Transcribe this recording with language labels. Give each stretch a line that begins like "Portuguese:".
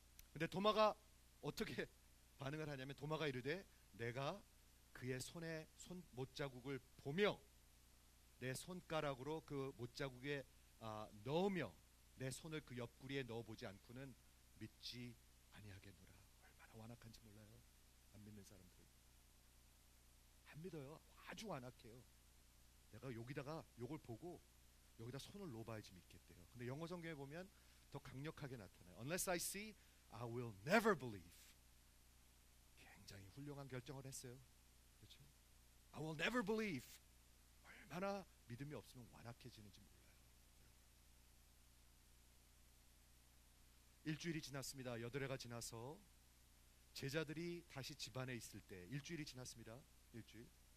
Korean: 근데 도마가 어떻게 반응을 하냐면, 도마가 이르되 내가 그의 손에 못자국을 보며 내 손가락으로 그 못자국에 넣으며 내 손을 그 옆구리에 넣어보지 않고는 믿지 아니하겠노라. 얼마나 완악한지 몰라요. 안 믿는 사람들 안 믿어요. 아주 완악해요. 내가 여기다가 이걸 보고 여기다 손을 넣어봐야지 믿겠대요. 근데 영어 성경에 보면 더 강력하게 나타나요.
English: Unless I see, I will never believe.
Korean: 굉장히 훌륭한 결정을 했어요. 그렇죠?
English: I will never believe.
Korean: 얼마나 믿음이 없으면 완악해지는지 몰라요. 일주일이 지났습니다. 여드레가 지나서 제자들이 다시 집안에 있을 때, 일주일이 지났습니다. 일주일.